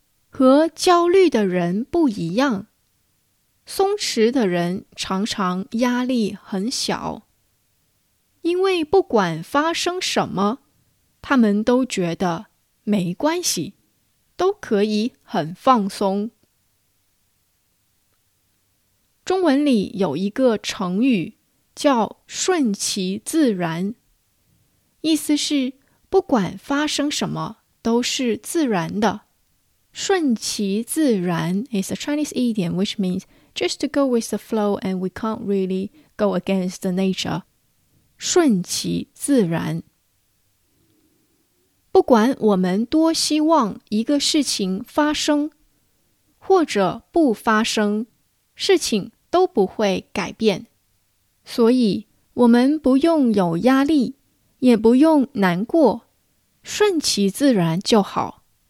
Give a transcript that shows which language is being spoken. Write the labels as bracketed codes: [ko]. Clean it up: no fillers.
[zh] 和焦虑的人不一样，松弛的人常常压力很小，因为不管发生什么，他们都觉得没关系，都可以很放松。中文里有一个成语叫顺其自然，意思是不管发生什么都是自然的。 [en] 顺其自然 is a Chinese idiom which means just to go with the flow and we can't really go against the nature. [zh] 顺其自然。不管我们多希望一个事情发生或者不发生，事情都不会改变，所以我们不用有压力，也不用难过，顺其自然就好。